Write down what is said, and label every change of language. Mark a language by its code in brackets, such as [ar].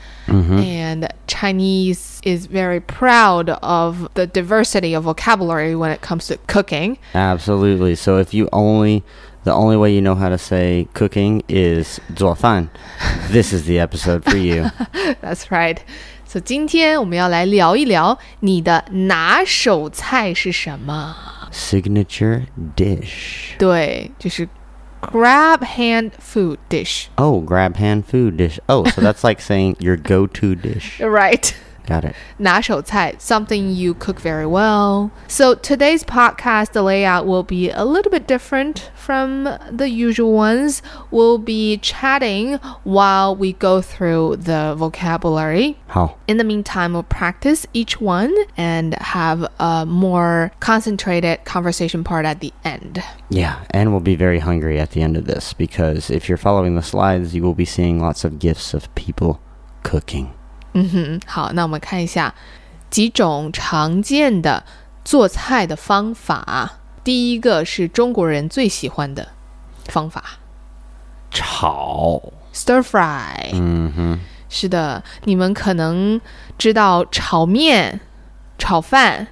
[en] Mm-hmm. And Chinese is very proud of the diversity of vocabulary when it comes to cooking. Absolutely. So if you only, the only way you know how to say cooking is 做饭, this is the episode for you. That's right. [zh] So 今天我们要来聊一聊你的拿手菜是什么? [en] Signature dish. [zh] 对,就是 [en] grab hand food dish. Oh, grab hand food dish. Oh, so that's like saying your go-to dish. Right. Got it. 拿手菜, something you cook very well. So today's podcast, the layout will be a little bit different from the usual ones. We'll be chatting while we go through the vocabulary. How? In the meantime, we'll practice each one and have a more concentrated conversation part at the end. Yeah, and we'll be very hungry at the end of this because if you're following the slides, you will be seeing lots of GIFs of people cooking. [zh] 嗯哼，好，那我们看一下几种常见的做菜的方法。第一个是中国人最喜欢的方法，炒 [en] stir fry。嗯哼， [zh] 是的，你们可能知道炒面、炒饭。